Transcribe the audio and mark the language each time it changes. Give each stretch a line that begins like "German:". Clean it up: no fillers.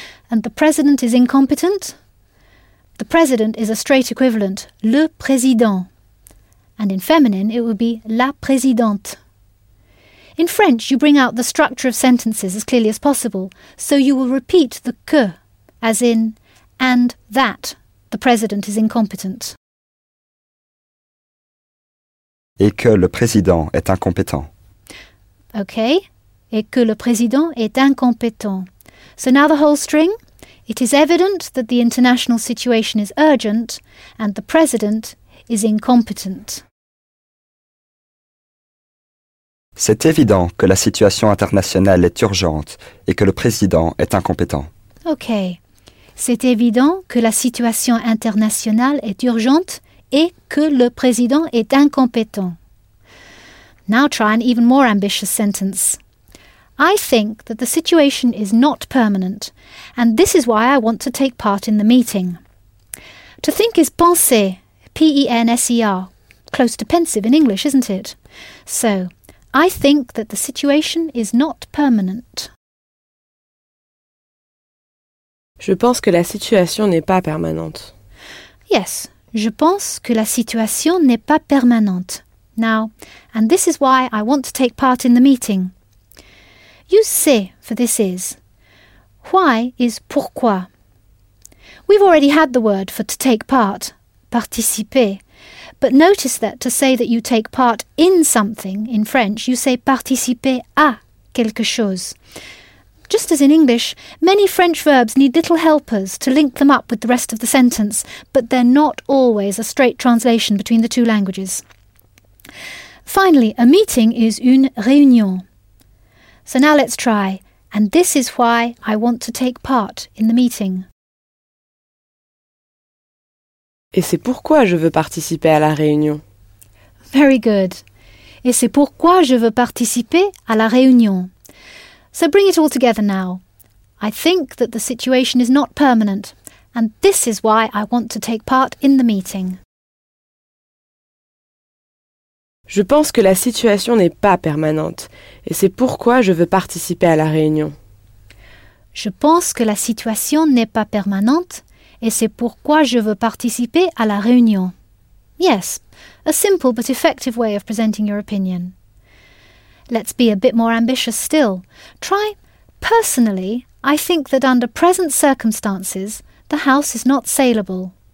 English: And the president is incompetent? The president is a straight equivalent, le président. And in feminine, it would be la présidente. In French, you bring out the structure of sentences as clearly as possible, so you will repeat the que, as in, and that, the president is incompetent.
French: Et que le président est incompétent.
English: OK.
French: Et que le président est incompétent.
English: So now the whole string. It is evident that the international situation is urgent and the president is incompetent.
French: C'est évident que la situation internationale est urgente et que le président est incompétent.
English: OK.
French: C'est évident que la situation internationale est urgente et que le président est incompétent.
English: Now try an even more ambitious sentence. I think that the situation is not permanent, and this is why I want to take part in the meeting. To think is penser, P-E-N-S-E-R, close to pensive in English, isn't it? So, I think that the situation is not permanent.
French: Je pense que la situation n'est pas permanente. Yes, je pense que la situation n'est pas permanente.
English: Now, and this is why I want to take part in the meeting. Use c'est for this is. Why is pourquoi? We've already had the word for to take part, participer. But notice that to say that you take part in something in French, you say participer à quelque chose. Just as in English, many French verbs need little helpers to link them up with the rest of the sentence, but they're not always a straight translation between the two languages. Finally, a meeting is une réunion. So now let's try. And this is why I want to take part in the meeting.
French: Et c'est pourquoi je veux participer à la réunion.
English: Very good.
French: Et c'est pourquoi je veux participer à la réunion.
English: So bring it all together now. I think that the situation is not permanent, and this is why I want to take part in the meeting.
French: Je pense que la situation n'est pas permanente, et c'est pourquoi je veux participer à la réunion. Je pense que la situation n'est pas permanente, et c'est pourquoi je veux participer à la réunion.
English: Yes, a simple but effective way of presenting your opinion. Let's be a bit more ambitious still. Try, personally, I think that under present circumstances, the house is not saleable.